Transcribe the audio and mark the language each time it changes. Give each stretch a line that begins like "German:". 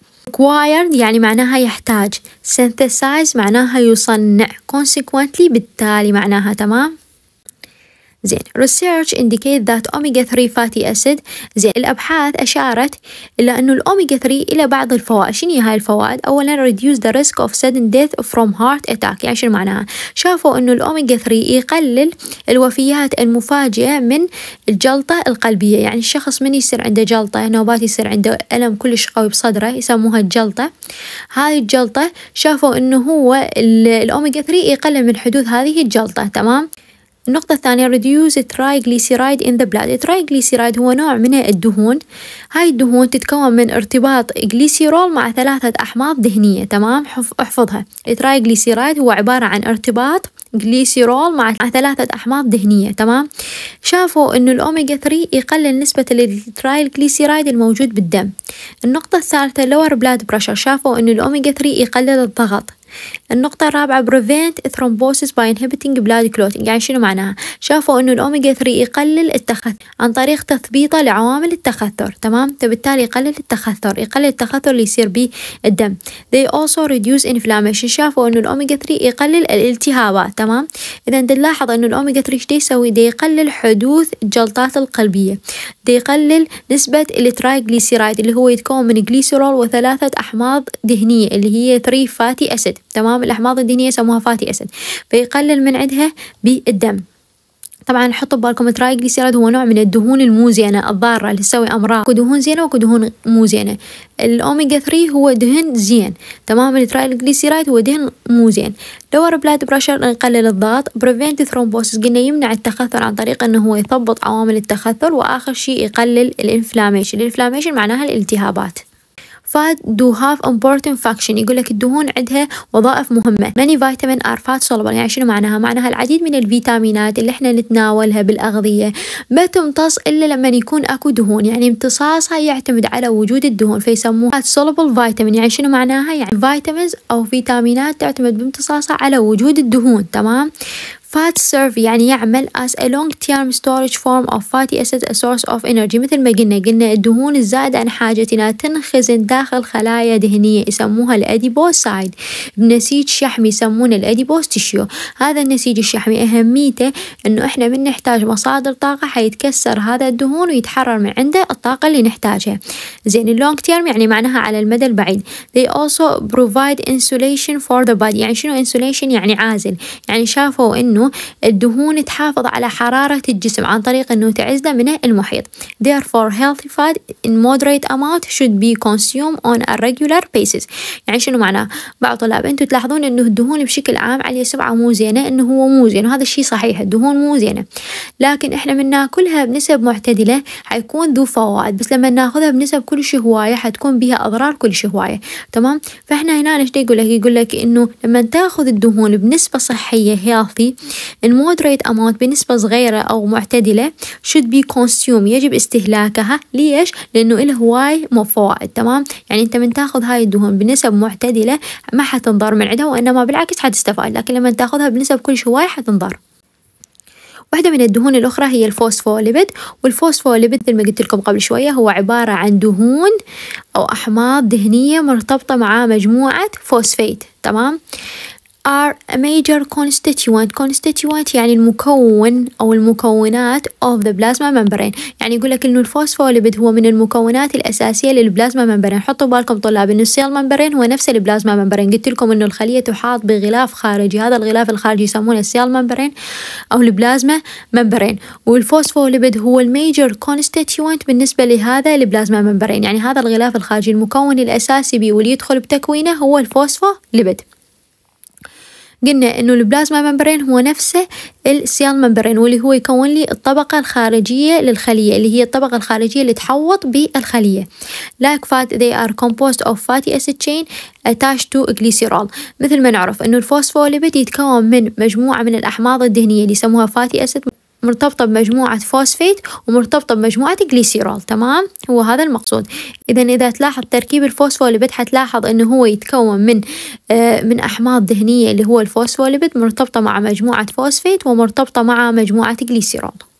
Arabic: required يعني معناها يحتاج، synthesize معناها يصنع، consequently بالتالي معناها، تمام؟ زين.
English: research indicate that omega 3 fatty acid.
Arabic: زين الابحاث اشارت الى انه الاوميجا 3 الى بعض الفوائد. شنو هاي الفوائد؟ اولا
English: reduce the risk of sudden death from heart attack.
Arabic: يعني شنو معناها؟ شافوا انه الاوميجا 3 يقلل الوفيات المفاجئه من الجلطه القلبيه. يعني الشخص من يصير عنده جلطه، نوبات، يصير عنده الم كلش قوي بصدره يسموها الجلطه، هاي الجلطه شافوا انه هو الاوميجا 3 يقلل من حدوث هذه الجلطه، تمام؟ النقطة الثانية
English: reduce triglyceride in the blood.
Arabic: triglyceride هو نوع من الدهون، هاي الدهون تتكون من ارتباط جليسيرول مع ثلاثة أحماض دهنية، تمام؟ احفظها. triglyceride هو عبارة عن ارتباط جليسيرول مع ثلاثة أحماض دهنية، تمام؟ شافوا إنه الأوميجا 3 يقلل نسبة الترايجليسيرايد الموجود بالدم. النقطة الثالثة
English: lower blood pressure،
Arabic: شافوا إنه الأوميجا 3 يقلل الضغط. النقطة الرابعة
English: prevent thrombosis by inhibiting blood clotting.
Arabic: يعني شنو معناها؟ شافوا إنه الأوميجا 3 يقلل التخثر عن طريق تثبيطه لعوامل التخثر، تمام؟ فبالتالي يقلل التخثر، يقلل التخثر اللي يصير به الدم.
English: they also reduce inflammation.
Arabic: شافوا إنه الأوميجا 3 يقلل الالتهابات، تمام؟ إذا نلاحظ إنه الأوميجا 3 شو يسوي؟ ده يقلل حدوث الجلطات القلبية، ده يقلل نسبة الترايجليسيرايد اللي هو يتكون من جليسيرول وثلاثة أحماض دهنية اللي هي 3 فاتي أسيد، تمام؟ الأحماض الدهنية يسموها فاتي أسيد، فيقلل من عندها بالدم. طبعا حطوا ببالكم الترايجليسيرايد هو نوع من الدهون المو زينة الضارة اللي تسوي أمراض، اكو دهون زينة واكو دهون مو زينة. الأوميجا 3 هو دهن زين، تمام؟ الترايجليسيرايد هو دهن مو زين.
English: lower blood pressure
Arabic: نقلل الضغط،
English: prevent thrombosis
Arabic: قلنا يمنع التخثر عن طريق انه هو يضبط عوامل التخثر، واخر شيء يقلل الانفلاميشن. الانفلاميشن معناها الالتهابات.
English: fat do have important function.
Arabic: يقول لك الدهون عندها وظائف مهمة.
English: many vitamins are fat soluble.
Arabic: يعني شنو معناها؟ معناها العديد من الفيتامينات اللي احنا نتناولها بالأغذية ما تمتص إلا لما يكون اكو دهون، يعني امتصاصها يعتمد على وجود الدهون، فيسموها fat soluble vitamin. يعني شنو معناها؟ يعني vitamins أو فيتامينات تعتمد بامتصاصها على وجود الدهون، تمام؟
English: fat serve
Arabic: يعني يعمل
English: as a long term storage form of fatty acids a source of energy.
Arabic: مثل ما قلنا الدهون الزائدة عن حاجتنا تنخزن داخل خلايا دهنية يسموها الأديبوسايد، بنسيج شحمي يسمونه الأديبوس تيشيو. هذا النسيج الشحمي أهميته إنه إحنا من نحتاج مصادر طاقة حيتكسر هذا الدهون ويتحرر من عنده الطاقة اللي نحتاجها. زين long term يعني معناها على المدى البعيد.
English: they also provide insulation for the body.
Arabic: يعني شنو insulation؟ يعني عازل. يعني شافوا إن انه الدهون تحافظ على حرارة الجسم عن طريق انه تعزله من المحيط.
English: therefore healthy fat in moderate amount should be consumed on a regular basis.
Arabic: يعني شنو معناه؟ بعض طلاب انتم تلاحظون انه الدهون بشكل عام على سبعة مو زينة، انه هو مو زين، وهذا الشيء صحيح، الدهون مو زينة، لكن احنا من ناكلها بنسب معتدلة حيكون ذو فوائد، بس لما ناخذها بنسب كل شيء هواية حتكون بها اضرار كل شيء هواية، تمام؟ فاحنا هنا ايش يقول لك؟ يقول لك انه لما تاخذ الدهون بنسبة صحية healthy
English: in moderate amount
Arabic: بنسبة صغيرة او معتدلة
English: should be consumed
Arabic: يجب استهلاكها. ليش؟ لانه له هواي مفوائد، تمام؟ يعني انت من تاخذ هاي الدهون بنسب معتدلة ما حتنضر من عندها، وانما بالعكس حتستفاد، لكن لما تاخذها بنسب كل هواي حتنضر. واحدة من الدهون الاخرى هي الفوسفوليبيد، والفوسفوليبيد مثل ما قلت لكم قبل شوية هو عبارة عن دهون او احماض دهنية مرتبطة مع مجموعة فوسفيت، تمام؟
English: are a major constituent. Constituent
Arabic: يعني المكون أو المكونات
English: of the plasma membrane.
Arabic: يعني يقول لك إنه الفوسفوليبيد هو من المكونات الأساسية للبلازما membrane. حطوا بالكم طلاب إنه cell membrane هو نفس البلازما membrane. قلت لكم إنه الخلية تحاط بغلاف خارجي. هذا الغلاف الخارجي يسمونه cell membrane أو البلازما membrane. والفوسفوليبيد هو الميجر constituent بالنسبة لهذا البلازما membrane. يعني هذا الغلاف الخارجي المكون الأساسي بي واللي يدخل بتكوينه هو الفوسفوليبيد. قلنا إنه البلازما ممبرين هو نفسه السيال ممبرين واللي هو يكون لي الطبقة الخارجية للخلية اللي هي الطبقة الخارجية اللي تحوط بالخلية.
English: Like fat they are composed of fatty acid chain attached to glycerol.
Arabic: مثل ما نعرف إنه الفوسفوليبيد يتكون من مجموعة من الأحماض الدهنية اللي يسموها fatty acid مرتبطة بمجموعة فوسفيت ومرتبطة بمجموعة جليسيرول. تمام، هو هذا المقصود. إذا تلاحظ تركيب الفوسفوليبيد حتلاحظ إنه هو يتكون من أحماض دهنية اللي هو الفوسفوليبيد مرتبطة مع مجموعة فوسفيت ومرتبطة مع مجموعة جليسيرول.